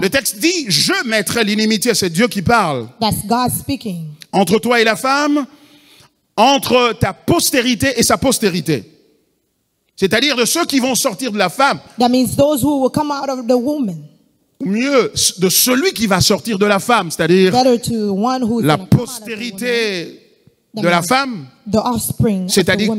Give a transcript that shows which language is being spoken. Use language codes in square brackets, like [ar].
[fr] Le texte dit, je mettrai l'inimitié, c'est Dieu qui parle. [en] That's God speaking. [fr] Entre toi et la femme, entre ta postérité et sa postérité. C'est-à-dire de ceux qui vont sortir de la femme. [en] That means those who will come out of the woman. [fr] Mieux de celui qui va sortir de la femme, c'est-à-dire la postérité de la femme, c'est-à-dire